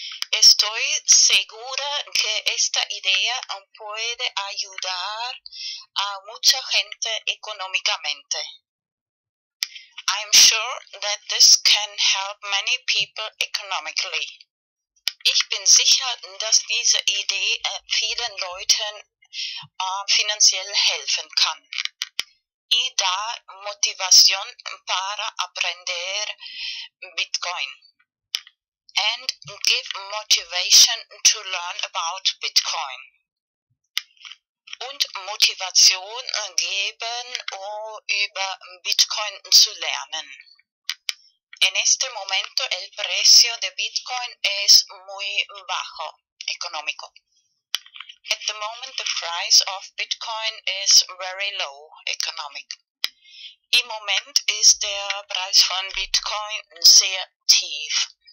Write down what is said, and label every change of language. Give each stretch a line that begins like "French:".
Spanish: Estoy segura que esta idea puede ayudar a mucha gente económicamente.
English: I'm sure that this can help many people economically.
German: Ich bin sicher, dass diese Idee vielen Leuten finanziell helfen kann.
Spanish: Y da Motivation para aprender Bitcoin.
English: And give motivation to learn about Bitcoin.
German: Und Motivation geben, über Bitcoin zu lernen.
Spanish: En este momento el precio de Bitcoin es muy bajo, económico.
English: At the moment the price of Bitcoin is very low, economic.
German: Im Moment ist der Preis von Bitcoin sehr tief.